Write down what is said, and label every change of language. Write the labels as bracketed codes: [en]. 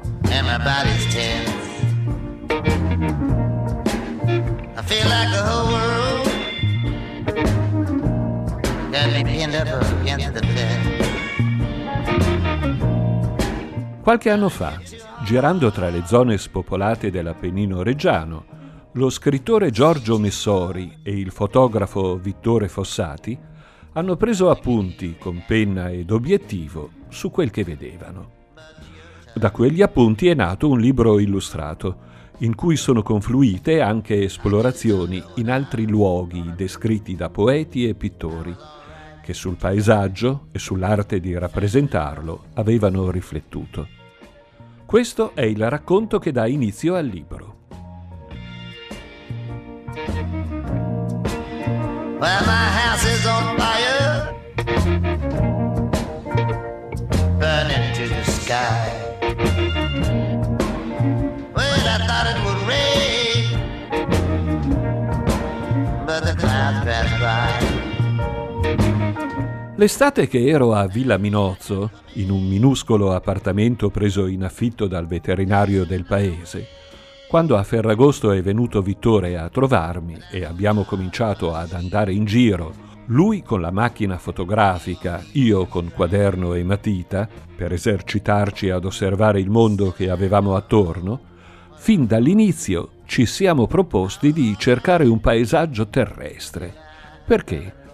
[en] And my body's tense. I feel like the whole world got me pinned up against the fence. [it] Qualche anno fa, girando tra le zone spopolate dell'Appennino reggiano, lo scrittore Giorgio Messori e il fotografo Vittore Fossati hanno preso appunti con penna ed obiettivo su quel che vedevano. Da quegli appunti è nato un libro illustrato, in cui sono confluite anche esplorazioni in altri luoghi descritti da poeti e pittori, che sul paesaggio e sull'arte di rappresentarlo avevano riflettuto. Questo è il racconto che dà inizio al libro. [en] Well, my house is on fire, burning to the sky. Well, I thought it would rain, but the clouds passed by. [it] L'estate che ero a Villa Minozzo, in un minuscolo appartamento preso in affitto dal veterinario del paese, quando a Ferragosto è venuto Vittore a trovarmi e abbiamo cominciato ad andare in giro, lui con la macchina fotografica, io con quaderno e matita, per esercitarci ad osservare il mondo che avevamo attorno, fin dall'inizio ci siamo proposti di cercare un paesaggio terrestre. Perché?